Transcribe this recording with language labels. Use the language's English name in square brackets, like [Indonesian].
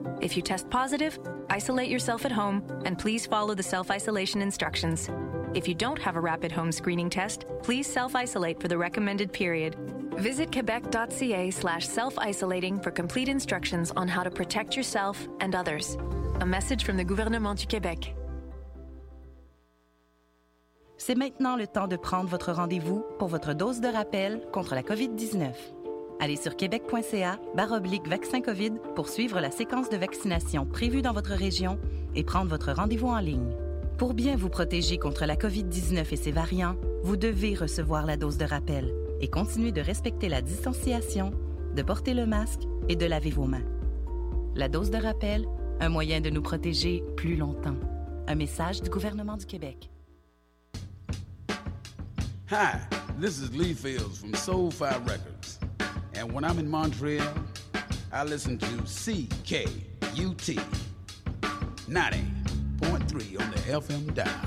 [English] If you test positive, isolate yourself at home and please follow the self-isolation instructions. If you don't have a rapid home screening test, please self-isolate for the recommended period. Visit quebec.ca/self-isolating for complete instructions on how to protect yourself and others. A message from the Gouvernement du Québec. [French] C'est maintenant le temps de prendre votre rendez-vous pour votre dose de rappel contre la COVID-19. Allez sur québec.ca/vaccin-COVID pour suivre la séquence de vaccination prévue dans votre région et prendre votre rendez-vous en ligne. Pour bien vous protéger contre la COVID-19 et ses variants, vous devez recevoir la dose de rappel et continuer de respecter la distanciation, de porter le masque et de laver vos mains. La dose de rappel, un moyen de nous protéger plus longtemps. Un message du gouvernement du Québec. [English] Hi, this is Lee Fields from Soulfi Records. And when I'm in Montreal, I listen to CKUT 90.3 on the FM dial.